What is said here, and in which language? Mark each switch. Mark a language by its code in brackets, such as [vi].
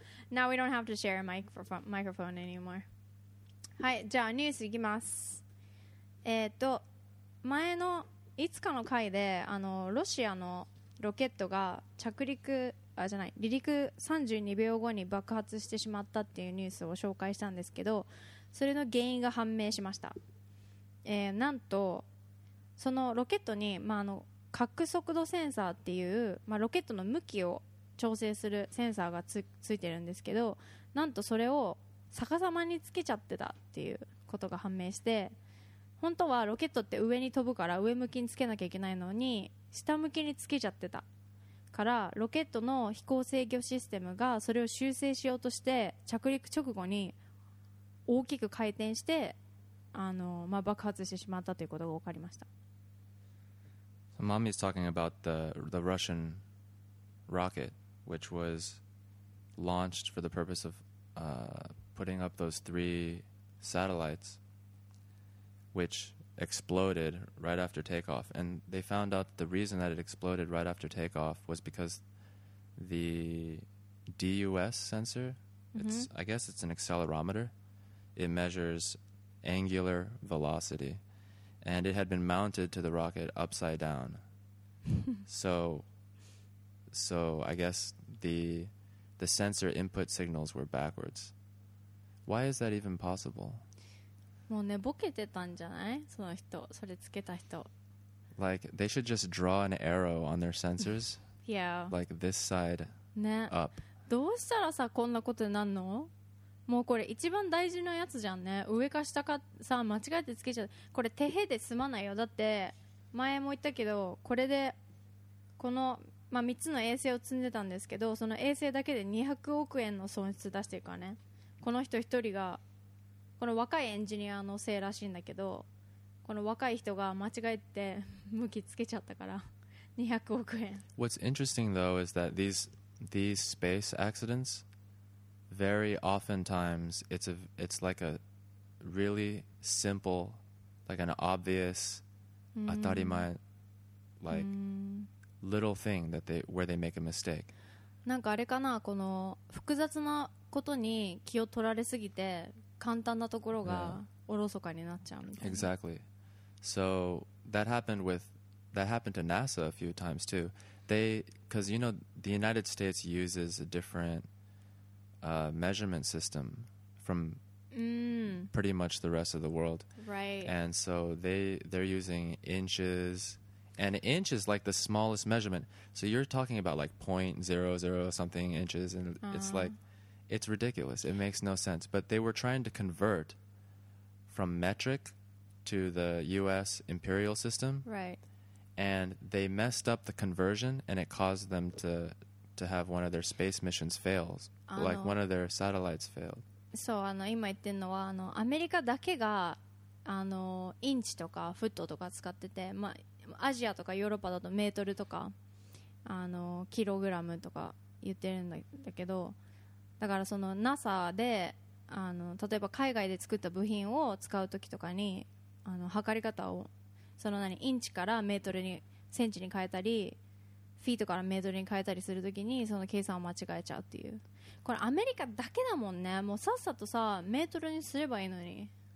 [en] Now we don't have to share a microphone anymore. [ja] はい、じゃあニュースいきます。前のいつかの回でロシアのロケットが着陸、あ、じゃない、離陸32秒後に爆発してしまったっていうニュースを紹介したんですけど、それの原因が判明しました。なんとそのロケットに、核速度センサーっていう、ロケットの向きを調整するセンサーが ついてるんですけど、なんとそれを逆さまにつけちゃってたっていうことが判明して、本当はロケットって上に飛ぶから上向きにつけなきゃいけないのに下向きにつけちゃってたから、ロケットの飛行制御システムがそれを修正しようとして着陸直後に大きく回転して爆発してしまったということが分かりました。 [en] So, Mommy is talking about the RussianRocket, which was launched for the purpose of putting up those three satellites, which exploded right after takeoff. And they found out the reason that it exploded right after takeoff was because the DUS sensor, it's, I guess it's an accelerometer, it measures angular velocity. And it had been mounted to the rocket upside down. So I guess the sensor input signals were backwards. Why is that even possible? [ja] もう寝ぼけてたんじゃない? その人、それつけた人。 [en] Like, they should just draw an arrow on their sensors. Yeah. Like, this side、ね、up. [ja] どうしたらさ、こんなことになるの?もうこれ一番大事なやつじゃんね。上か下かさ、間違えてつけちゃう。これ、手へで済まないよ。だって、前も言ったけど、これで、この、まあ、3つの衛星を積んでたんですけど、その衛星だけで200億円の損失出してるからね。この人一人が、この若いエンジニアのせいらしいんだけど、この若い人が間違えて向きつけちゃったから、200億円。 [en] What's interesting though is that these space accidents, very oftentimes it's like a really simple, like an obvious, 当たり前、like little thing that they, where they make a mistake. [ja] なんかあれかな、この複雑なことに気を取られすぎて簡単なところがおろそかになっちゃうみたいな。 [en] Yeah. Exactly. So that happened with that happened to NASA a few times too. They, because you know the United States uses a different、measurement system from、pretty much the rest of the world. Right. And so they're using inches, and inch is like the smallest measurement. So you're talking about like 0.00 something inches, and it's like. It's ridiculous. It makes no sense. But they were trying to convert from metric to the U.S. imperial system. Right. And they messed up the conversion, and it caused them to have one of their space missions fail. Like one of their satellites failed. [ja] そう、あの、今言ってるのは、あの、アメリカだけが、あの、インチとかフットとか使ってて、まあ、アジアとかヨーロッパだとメートルとか、あの、キログラムとか言ってるんだけど、だからその NASA であの例えば海外で作った部品を使うときとかにあの測り方をその何インチからメートルにセンチに変えたりフィートからメートルに変えたりするときにその計算を間違えちゃうっていうこれアメリカだけだもんねもうさっさとさメートルにすればいいのに